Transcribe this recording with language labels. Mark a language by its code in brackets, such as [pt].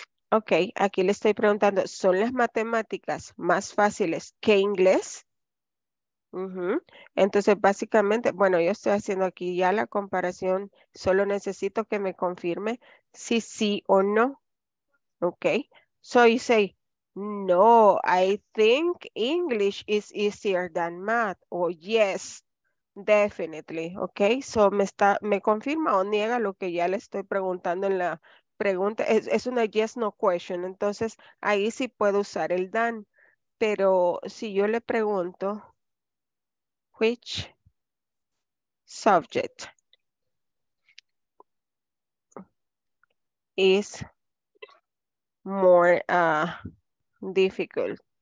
[es] Ok, aquí le estoy preguntando, ¿son las matemáticas más fáciles que inglés? Entonces, básicamente, bueno, yo estoy haciendo aquí ya la comparación. Solo necesito que me confirme si sí o no. [en] Ok, so you say, no, I think English is easier than math. O yes, definitely. [es] Ok, so me confirma o niega lo que ya le estoy preguntando en la pregunta. Es una yes no question. Entonces, ahí sí puedo usar el than. Pero si yo le pregunto, [en] which subject is more difficult?